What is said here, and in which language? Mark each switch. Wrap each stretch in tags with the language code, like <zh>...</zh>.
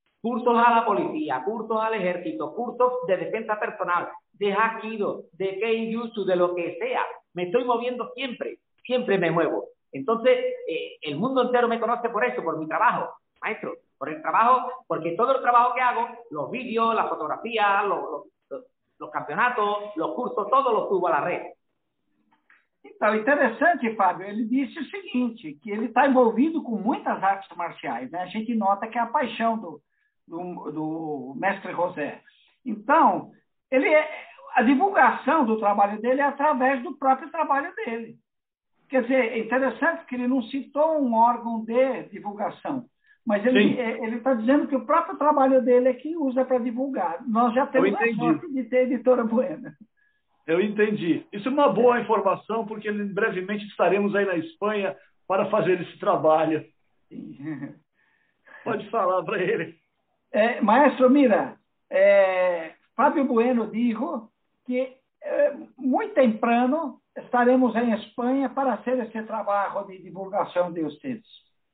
<es>Cursos a la policía, cursos al ejército, cursos de defensa personal, de Hapkido, de Kenjutsu, de lo que sea. Me estoy moviendo siempre, siempre me muevo. Entonces, el mundo entero me conoce por eso, por mi trabajo, maestro. Por el trabajo, porque todo el trabajo que hago, los vídeos, las fotografías, los campeonatos, los cursos, todo lo subo a la red.</es> <pt>Então, interessante, Fábio, ele disse o seguinte, que ele está envolvido com muitas artes marciais, né? A gente nota que é a paixão do mestre José. Então, a divulgação do trabalho dele é através do próprio trabalho dele. Quer dizer, é interessante que ele não citou um órgão de divulgação, mas ele está dizendo que o próprio trabalho dele é que usa para divulgar. Nós já temos a sorte de ter a editora Bueno. Eu entendi. Isso é uma boa informação, porque brevemente estaremos aí na Espanha para fazer esse trabalho. Sim. Pode falar para ele.</pt> <es>É, Maestro, mira, Fábio Bueno dijo que muy temprano estaremos en España para hacer este trabajo de divulgación de ustedes.</es>